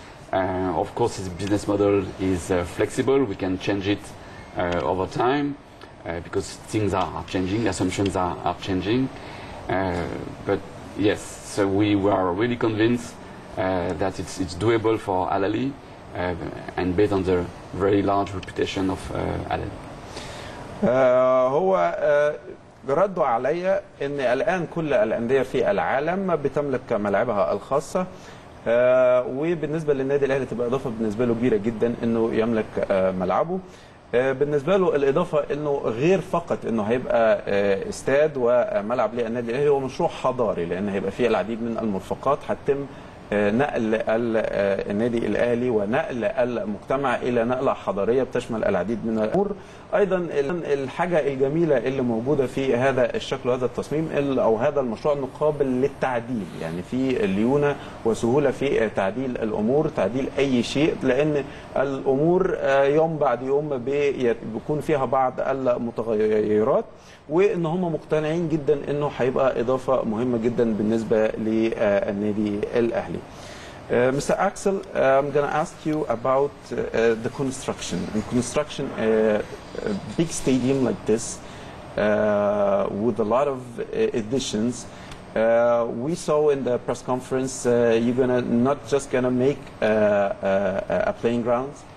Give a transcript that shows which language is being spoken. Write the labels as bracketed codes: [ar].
[en] Of course, this business model is flexible. We can change it over time because things are changing, assumptions are changing. But yes, so we are really convinced that it's doable for Al-Ahly and based on the very large reputation of Al-Ahly. [ar] هو رد عليا ان الان كل الانديه في العالم بتملك ملاعبها الخاصه وبالنسبه للنادي الاهلي تبقى اضافه بالنسبه له كبيره جدا انه يملك ملعبه. بالنسبه له الاضافه انه غير فقط انه هيبقى استاد وملعب للنادي الاهلي هو مشروع حضاري لان هيبقى فيه العديد من المرفقات هتتم نقل النادي الاهلي ونقل المجتمع الى نقله حضاريه بتشمل العديد من الامور. ايضا الحاجه الجميله اللي موجوده في هذا الشكل وهذا التصميم او هذا المشروع انه قابل للتعديل، يعني في ليونه وسهوله في تعديل الامور، تعديل اي شيء لان الامور يوم بعد يوم بيكون فيها بعض المتغيرات، وان هم مقتنعين جدا انه هيبقى اضافه مهمه جدا بالنسبه للنادي الاهلي. [en] Mr. Axel, I'm going to ask you about the construction. In construction, a big stadium like this with a lot of additions. We saw in the press conference you're going to not just going to make a playing ground.